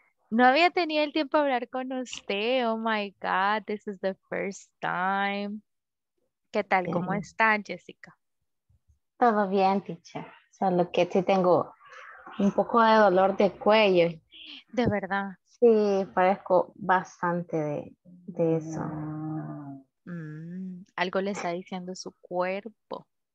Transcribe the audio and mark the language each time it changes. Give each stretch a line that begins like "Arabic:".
Spanish: No había tenido el tiempo de hablar con usted.
English: Oh my God, this is the first time.
Spanish: ¿Qué tal? Bien. ¿Cómo está, Jessica? Todo bien, teacher. Solo que sí tengo un poco de dolor de cuello. ¿De verdad? Sí, padezco bastante de eso. Algo le está diciendo su cuerpo.